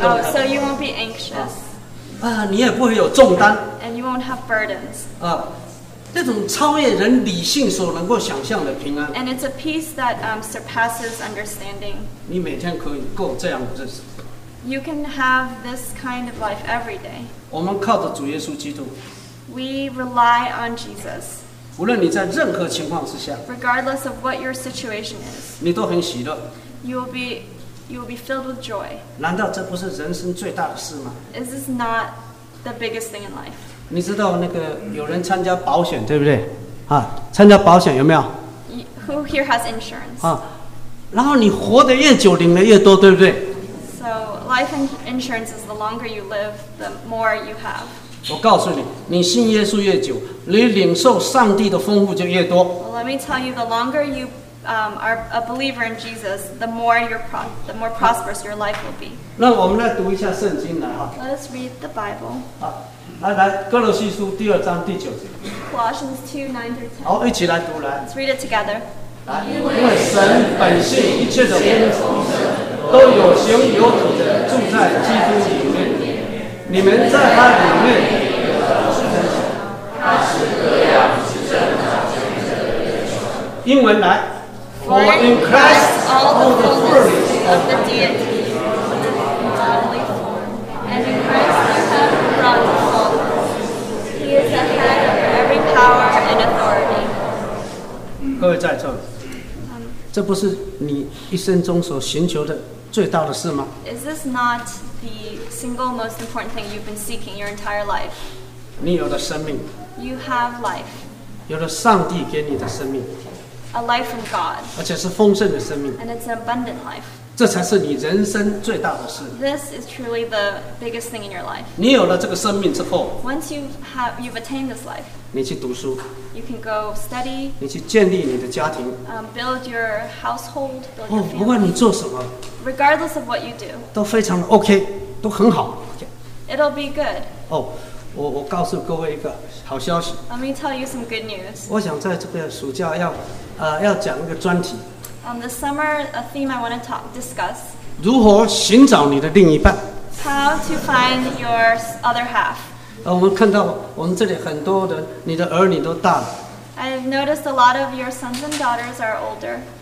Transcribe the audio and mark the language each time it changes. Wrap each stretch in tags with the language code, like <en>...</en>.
<en>Oh, so you won't be anxious.</en> <zh>你也不会有重担。</zh> <en>And you won't have burdens.</en> <zh>这种超越人理性所能够想象的平安。</zh> <en>And it's a peace that surpasses understanding.</en> <zh>你每天可以过这样的日子。</zh> <en>You can have this kind of life every day.</en> <zh>我们靠着主耶稣基督。</zh> <en>We rely on Jesus.</en> <zh>无论你在任何情况之下。</zh> <en>Regardless of what your situation is.</en> <zh>你都很喜乐。</zh> <en>You will be filled with joy.</en> <zh>难道这不是人生最大的事吗？</zh> <en>Is this not the biggest thing in life?</en> <zh>你知道那个有人参加保险，对不对？啊，参加保险有没有？</zh> <en>Who here has insurance?</en> <zh>啊，然后你活得越久，领的越多，对不对？</zh> <en>So life insurance is the longer you live, the more you have.</en> <zh>我告诉你，你信耶稣越久，你领受上帝的丰富就越多。</zh> <en>Well, let me tell you, the longer you are a believer in Jesus, the more prosperous your life will be.</en> <zh>那我们来读一下圣经来哈。</zh> <en>Let us read the Bible.</en> <zh>来，哥罗西书第二章第九节。</zh> <en>Colossians 2:9-10.</en> <zh>好，一起来读来。</zh> <en>Let's read it together.</en> <zh>因为神本性一切的丰盛，都有形有体的住在基督里面。你们在他里面有着新生，他是各样执政掌权者的源头。英文来。</zh> <en>For in Christ all the fullness of the deity is in bodily form, and in Christ we have brought all things. He is the head of every power and authority.</en> <zh>各位在座，这不是你一生中所寻求的最大的事吗？</zh> <en>Is this not the single most important thing you've been seeking your entire life?</en> <zh>你有了生命。</zh> <en>You have life.</en> <zh>有了上帝给你的生命。</zh> <en>A life from God.</en> <zh>而且是丰盛的生命。</zh> <en>And it's an abundant life.</en> <zh>这才是你人生最大的事。</zh> <en>This is truly the biggest thing in your life.</en> <zh>你有了这个生命之后。</zh> <en>Once you've attained this life.</en> <zh>你去读书。</zh> <en>You can go study.</en> <zh>你去建立你的家庭。</zh> <en>Build your household. Build your family.</en> <zh>不管你做什么。</zh> <en>Regardless of what you do.</en> <zh>都非常 OK, 都很好。</zh> <en>It'll be good.</en> <zh>我告诉各位一个好消息。</zh> <en>Let me tell you some good news.</en> <zh>我想在这个暑假要讲一个专题。</zh> <en>This summer, a theme I want to discuss.</en> <zh>如何寻找你的另一半</zh> <en>？How to find your other half？</en> <zh>我们看到我们这里很多的你的儿女都大了。</zh> <en>I've noticed a lot of your sons and daughters are older.</en>